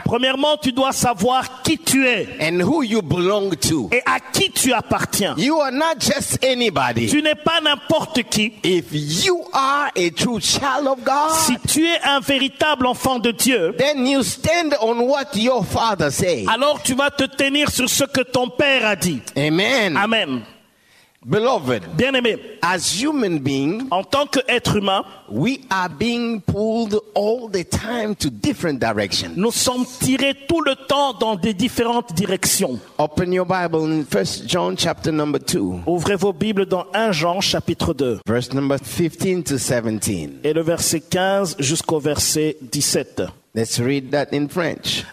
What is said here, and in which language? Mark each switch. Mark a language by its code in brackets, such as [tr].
[fr] Premièrement, tu dois savoir qui tu es. [en] And who you belong to. [fr] Et à qui tu appartiens. [en] You are not just anybody. [fr] Tu n'es pas n'importe qui. [en] If you are a true child of God, [fr] si tu es un véritable enfant de Dieu, [en] then you stand on what your father said. [fr] Alors tu vas te tenir sur ce que ton père a dit. [en] Amen. [fr] Amen. [en] Beloved, [fr] bien-aimé, [en] as human being, [fr] en tant qu'être humain, [en] we are being pulled all the time to different directions. [fr] Nous sommes tirés tout le temps dans des différentes directions. [en] Open your Bible in 1 John chapter number 2. [fr] Ouvrez vos Bibles dans 1 Jean chapitre 2. [en] Verse number 15 to 17. [fr] Et le verset 15 jusqu'au verset 17. [en] Let's read that in French.